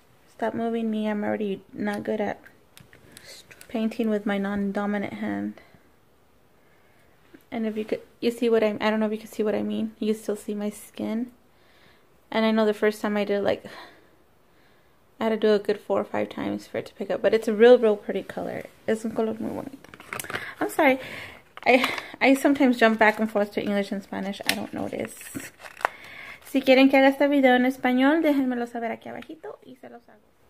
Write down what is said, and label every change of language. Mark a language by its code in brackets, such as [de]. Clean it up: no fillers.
[en] Stop moving me. I'm already not good at painting with my non-dominant hand. And if I don't know if you can see what I mean. You still see my skin. And I know the first time I did, I had to do a good 4 or 5 times for it to pick up. But it's a real, real pretty color. [es] Es un color muy bonito. [en] I'm sorry. I sometimes jump back and forth to English and Spanish. I don't notice. [es] Si quieren que haga este video en español, déjenmelo saber aquí abajito y se los hago.